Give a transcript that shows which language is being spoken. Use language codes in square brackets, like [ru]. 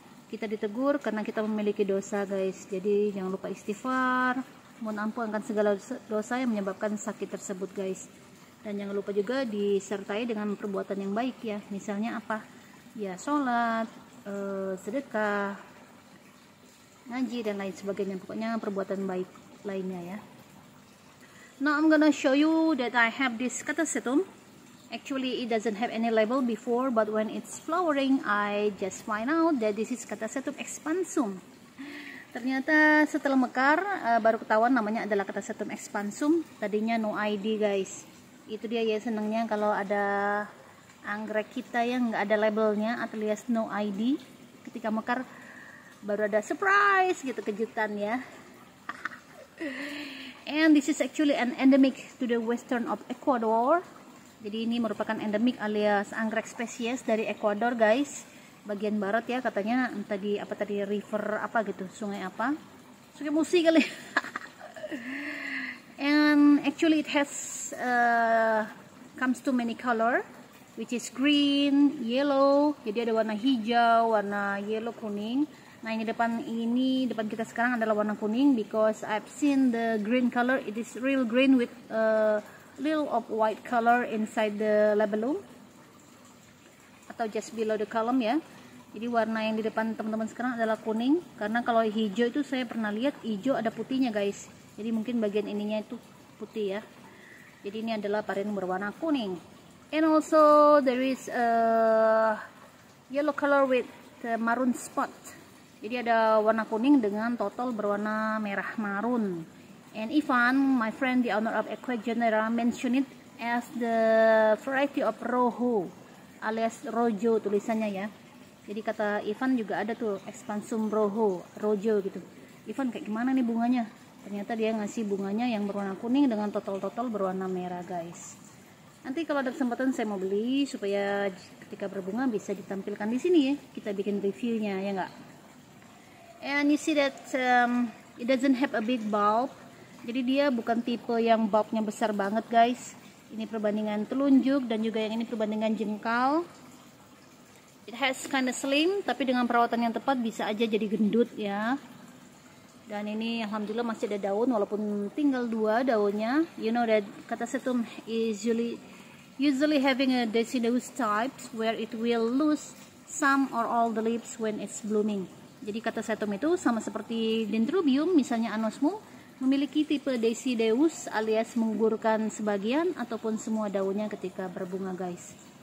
[id] Kita ditegur karena kita memiliki dosa guys. Jadi jangan lupa istighfar, mohon ampun akan segala dosa yang menyebabkan sakit tersebut guys. Dan jangan lupa juga disertai dengan perbuatan yang baik ya. Misalnya apa? Ya sholat, sedekah, ngaji dan lain sebagainya. Pokoknya perbuatan baik lainnya ya. [en] Now I'm gonna show you that I have this catasetum. Actually, it doesn't have any label before, but when it's flowering, I just find out that this is catasetum expansum. [id] Ternyata setelah mekar, baru ketahuan namanya adalah catasetum expansum. Tadinya [en] no ID, [id] guys. Itu dia ya senangnya kalau ada anggrek kita yang nggak ada labelnya, alias no ID. Ketika mekar, baru ada surprise gitu, kejutan ya. [en] And this is actually an endemic to the western of Ecuador. [id] Jadi ini merupakan endemik alias anggrek spesies dari Ecuador guys, bagian barat ya katanya, entah di apa tadi river apa gitu, sungai apa, sungai Musi kali. [en] And actually it has comes to many color, which is green, yellow. [id] Jadi ada warna hijau, warna yellow, kuning. Nah ini depan, ini depan kita sekarang adalah warna kuning [en] because I've seen the green color. It is real green with little of white color inside the labellum atau just below the column ya. [id] Jadi warna yang di depan teman-teman sekarang adalah kuning, karena kalau hijau itu saya pernah lihat hijau ada putihnya guys. Jadi mungkin bagian ininya itu putih ya. Jadi ini adalah parin berwarna kuning. [en] And also there is a yellow color with the maroon spot. [id] Jadi ada warna kuning dengan total berwarna merah marun. [en] And Ivan, my friend, the owner of Equigenera, mentioned it as the variety of rojo, alias rojo tulisannya ya. [id] Jadi kata Ivan juga ada tuh expansum rojo, rojo gitu. Ivan, kayak gimana nih bunganya? Ternyata dia ngasih bunganya yang berwarna kuning dengan total-total berwarna merah guys. Nanti kalau ada kesempatan saya mau beli supaya ketika berbunga bisa ditampilkan di sini ya. Kita bikin reviewnya, ya nggak? [en] And you see that it doesn't have a big bulb. [id] Jadi dia bukan tipe yang bulbnya besar banget guys. Ini perbandingan telunjuk dan juga yang ini perbandingan jengkal. [en] It has kind of slim, [id] tapi dengan perawatan yang tepat bisa aja jadi gendut ya. Dan ini alhamdulillah masih ada daun walaupun tinggal 2 daunnya. [en] You know that catasetum is usually having a deciduous type where it will lose some or all the leaves when it's blooming. [id] Jadi catasetum itu sama seperti dendrobium misalnya anosmum, memiliki tipe deciduous alias menggugurkan sebagian ataupun semua daunnya ketika berbunga guys.